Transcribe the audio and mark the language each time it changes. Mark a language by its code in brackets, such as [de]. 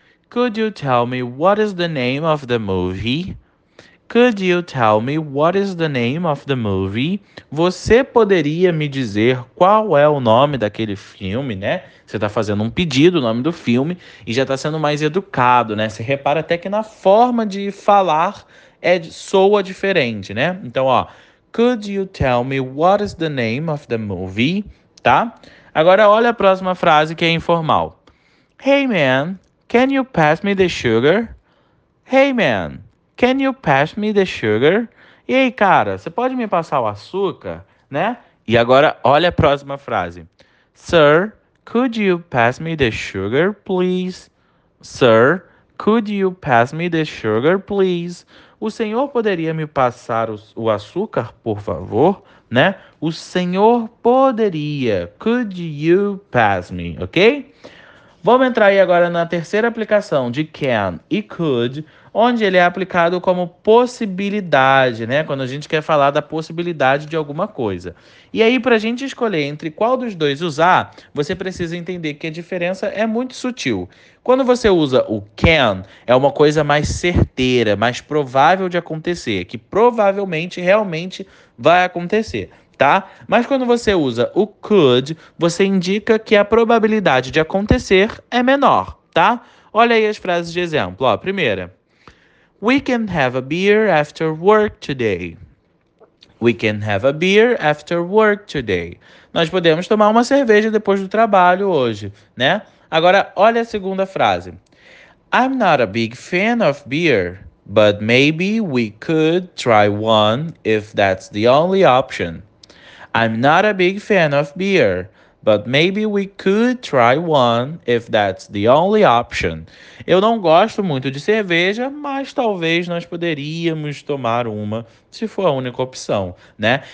[en] Could you tell me what is the name of the movie? Could you tell me what is the name of the movie? [pt] Você poderia me dizer qual é o nome daquele filme, né? Você está fazendo um pedido, o nome do filme, e já está sendo mais educado, né? Você repara até que na forma de falar soa diferente, né? Então, ó, [en] could you tell me what is the name of the movie? [pt] Tá? Agora, olha a próxima frase que é informal. [en] Hey, man, can you pass me the sugar? Hey, man. Can you pass me the sugar? [pt] E aí, cara, você pode me passar o açúcar, né? E agora, olha a próxima frase. [en] Sir, could you pass me the sugar, please? Sir, could you pass me the sugar, please? [pt] O senhor poderia me passar o açúcar, por favor, né? O senhor poderia. [en] Could you pass me, ok? [pt] Vamos entrar aí agora na terceira aplicação de can e could, onde ele é aplicado como possibilidade, né? Quando a gente quer falar da possibilidade de alguma coisa. E aí, para a gente escolher entre qual dos dois usar, você precisa entender que a diferença é muito sutil. Quando você usa o can, é uma coisa mais certeira, mais provável de acontecer, que provavelmente, realmente vai acontecer. Tá? Mas quando você usa o could, você indica que a probabilidade de acontecer é menor, tá? Olha aí as frases de exemplo. Ó, primeira. [en] We can have a beer after work today. We can have a beer after work today. [pt] Nós podemos tomar uma cerveja depois do trabalho hoje, né? Agora, olha a segunda frase. [en] I'm not a big fan of beer, but maybe we could try one if that's the only option. I'm not a big fan of beer, but maybe we could try one if that's the only option. [pt] Eu não gosto muito de cerveja, mas talvez nós poderíamos tomar uma se for a única opção, né?